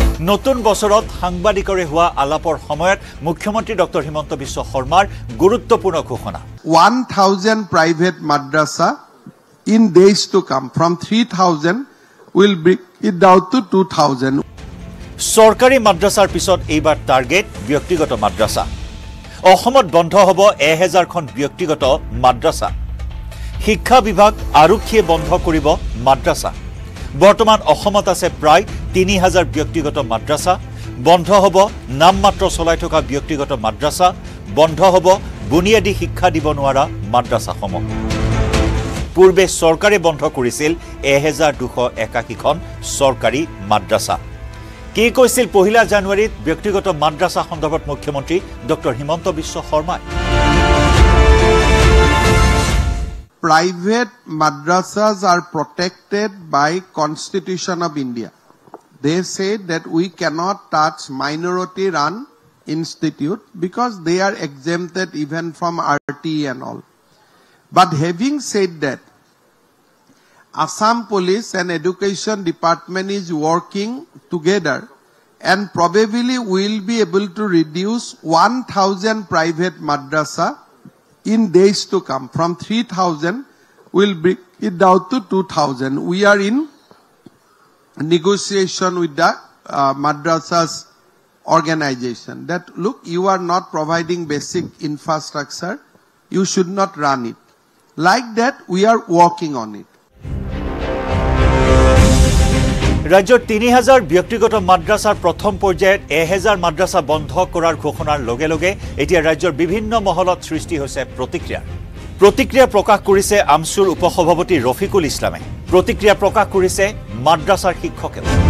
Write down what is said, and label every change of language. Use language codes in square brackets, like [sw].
[as] নতুন বছরত সাংবাদিকরে হওয়া আলাপর সময়ত মুখ্যমন্ত্রী ডক্টর হিমন্ত বিশ্ব শর্মার গুরুত্বপূর্ণ ঘোষণা, [en] 1000 private Madrasa in days to come, from 3000 will bring it down to 2000। [as] চৰকাৰী মাদ্ৰাছাৰ পিছত এইবাৰ টাৰ্গেট ব্যক্তিগত মাদ্ৰাছা। অসমত বন্ধ হ'ব 1000 ব্যক্তিগত মাদ্ৰাছা। শিক্ষা বিভাগ আৰক্ষীয়ে বন্ধ কৰিব মাদ্ৰাছা। বৰ্তমান অসমত আছে প্ৰায় 3000 ব্যক্তিগত মাদ্ৰাছা। বন্ধ হ'ব নাম মাত্ৰ চলাই থকা ব্যক্তিগত মাদ্ৰাছা, বন্ধ হ'ব বুনিয়াদী শিক্ষা দিব নোৱাৰা মাদ্ৰাছাসমূহ। পূৰ্বে চৰকাৰে বন্ধ কৰিছিল 1281 চৰকাৰী মাদ্ৰাছা। কি কৈছিল 1 জানুৱাৰীত ব্যক্তিগত মাদ্ৰাছা সন্দৰ্ভত মুখ্যমন্ত্ৰী ডক্টৰ হিমন্ত বিশ্ব শৰ্মাই? [en] Private madrasas are protected by constitution of India. They say that we cannot touch minority run institute because they are exempted even from RTE and all. But having said that, Assam Police and Education Department is working together and probably will be able to reduce 1000 private madrasa in days to come, from 3000 will bring it down to 2000. We are in negotiation with the madrasas organization that look, you are not providing basic infrastructure, you should not run it like that, we are working on it. [as] ৰাজ্যত 3000 ব্যক্তিগত মাদ্ৰাছাৰ প্ৰথম পৰ্যায়ত 1000 মাদ্ৰাছা বন্ধ কৰাৰ ঘোষণাৰ লগে লগে এতিয়া ৰাজ্যৰ বিভিন্ন মহলত সৃষ্টি হৈছে প্ৰতিক্ৰিয়া। প্ৰতিক্ৰিয়া প্ৰকাশ কৰিছে আমচুৰ উপসভাপতি ৰফিকুল ইছলামে, প্ৰতিক্ৰিয়া প্ৰকাশ কৰিছে মাদ্ৰাছাৰ শিক্ষকেও।